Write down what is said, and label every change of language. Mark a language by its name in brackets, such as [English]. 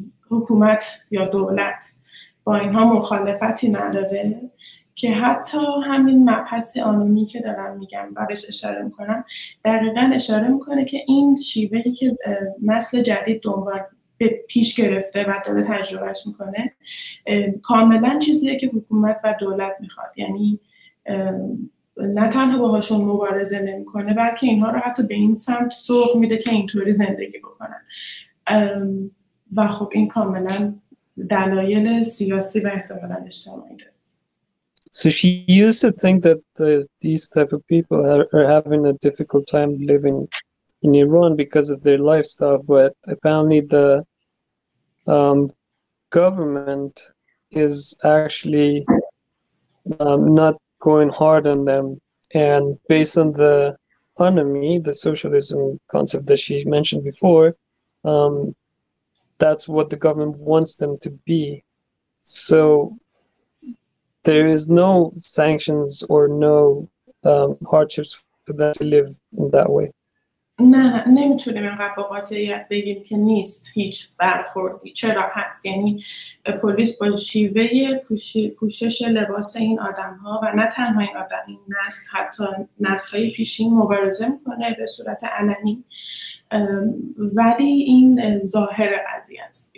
[Persian] حکومت یا دولت با اینها مخالفتی نداره، که حتی همین مبحث آنومی که دارم میگم بعدش اشاره میکنم دقیقا اشاره میکنه که این شیوهی که نسل جدید دنبال به پیش گرفته و داره تجربهش میکنه کاملا چیزیه که حکومت و دولت میخواد، یعنی نه تنها باهاشون مبارزه نمیکنه بلکه اینها رو حتی به این سمت سوق میده که اینطوری زندگی بکنن، و خب این کاملا دلایل سیاسی و احتمالا اجتماعی داره. [English] So she used to think that these type of people are having a difficult time living in Iran because of their lifestyle, but apparently the government is actually not going hard on them. And based on the anomie, the socialism concept that she mentioned before, that's what the government wants them to be. So there is no sanctions or no hardships for them to live in that way. [Persian] نه نمیتونیم اینقدر با قاطعیت بگیم که نیست هیچ برخوردی. چرا هست؟ یعنی پلیس با شیوه پوشش لباس این آدم ها و نه تنها این آدم، این نسل، حتی نسل های پیشین مبارزه میکنه به صورت علنی، ولی این ظاهر قضیه است.